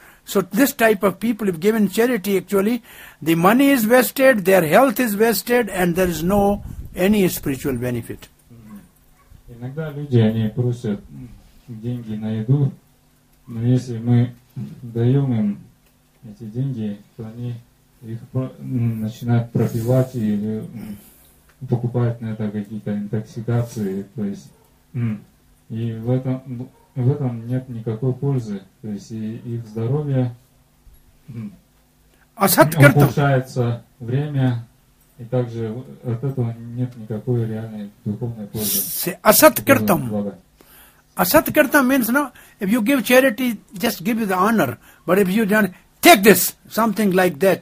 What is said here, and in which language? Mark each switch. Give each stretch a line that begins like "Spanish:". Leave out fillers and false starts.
English: So this type of people, if given charity, actually the money is wasted, their health is wasted, and there is no any spiritual benefit.
Russian: Иногда люди они просят деньги на еду, но если мы даем им эти деньги, то они их начинают пропивать или покупают на это какие-то интоксикации, то есть и в этом нет никакой пользы, то есть и их здоровье ухудшается, время, и также от этого нет никакой реальной духовной пользы. Асаткартам.
English: Асаткартам means, no, if you give charity, just give the honor, but if you don't take this, something like that.